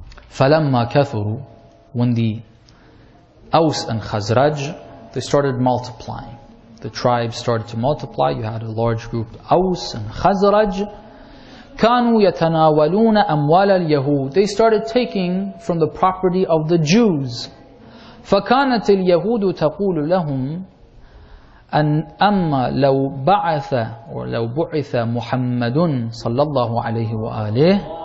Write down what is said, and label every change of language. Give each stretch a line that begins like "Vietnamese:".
Arabic: فَلَمَّا كَثُرُوا.
English: When the Aus and Khazraj, they started multiplying. The tribes started to multiply. You had a large group, Aus and Khazraj.
Arabic: كانوا يتناولون أموال اليهود.
English: They started taking from the property of the Jews.
Arabic: فكانت اليهود تقول لهم أن أما لو بعث or لو بعث محمد صلى الله عليه وآله